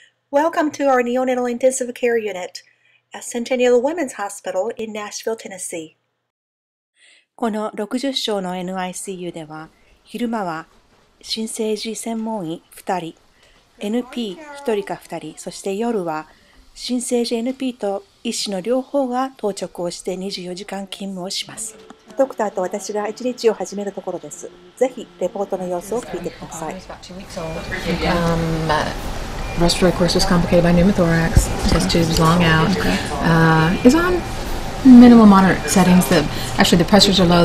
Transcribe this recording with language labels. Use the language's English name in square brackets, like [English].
[English] Welcome to our neonatal intensive care unit at Centennial Women's Hospital in Nashville, Tennessee. [Japanese] この60床の NICU では、昼間は新生児専門医2人、NP1 人か2人、そして夜は新生児 NP と医師の両方が当直をして24時間勤務をします。ドクターと私が1日を始めるところです。ぜひレポートの様子を聞いてください。 [English] Respiratory course was complicated by pneumothorax. Test tube is long out. Is on minimal moderate settings. Actually, the pressures are low.